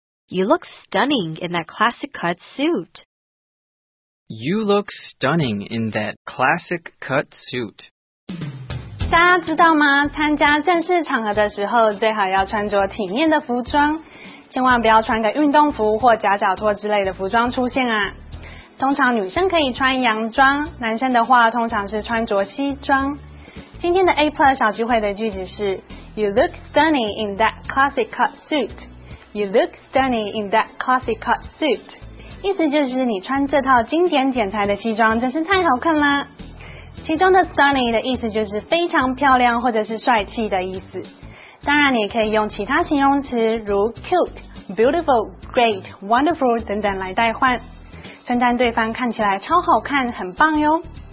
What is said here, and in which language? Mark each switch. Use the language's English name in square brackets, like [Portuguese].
[English] You look stunning in that classic cut suit. You look stunning in that classic cut suit. [Chinese] 大家知道吗？参加正式场合的时候，最好要穿着体面的服装，千万不要穿个运动服或夹脚拖之类的服装出现啊。通常女生可以穿洋装，男生的话通常是穿着西装。今天的 A Plus 小聚会的句子是 [English] You look stunning in that classic cut suit. You look stunning in that classic cut suit. [Chinese] 意思就是你穿这套经典剪裁的西装真是太好看啦。其中的 stunning 的意思就是非常漂亮或者是帅气的意思。当然你可以用其他形容词如 cute, beautiful, great, wonderful 等等来代换，称赞对方看起来超好看，很棒哟。